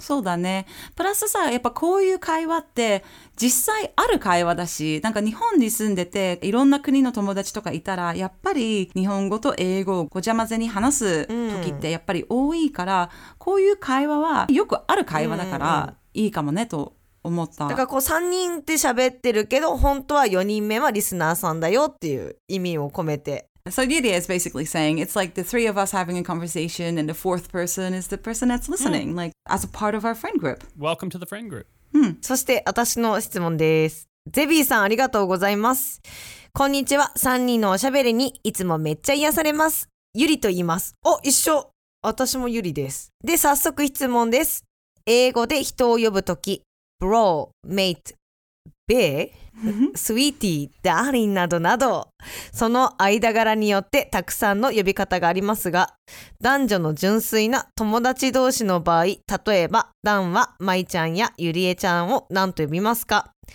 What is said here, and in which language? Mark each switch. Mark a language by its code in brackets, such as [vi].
[ja] そうだねプラスさやっぱこういう会話って実際ある会話だしなんか日本に住んでていろんな国の友達とかいたらやっぱり日本語と英語をごちゃ混ぜに話す時ってやっぱり多いから、うん、こういう会話はよくある会話だからいいかもねと思った、うん、だからこう3人って喋ってるけど本当は4人目はリスナーさんだよっていう意味を込めて [en] So Didi is basically saying it's like the three of us having a conversation and the fourth person is the person that's listening, like as a part of our friend group. Welcome to the friend group. [ja] うん。そして私の質問です。ゼビーさんありがとうございます。こんにちは。3人のおしゃべりにいつもめっちゃ癒されます。ゆりと言います。お、一緒。私もゆりです。で、早速質問です。英語で人を呼ぶとき、 [en] bro, mate, [ja] ベイ、スウィーティー、ダーリンなどなどその間柄によってたくさんの呼び方がありますが男女の純粋な友達同士の場合例えばダンはマイちゃんやユリエちゃんを何と呼びますか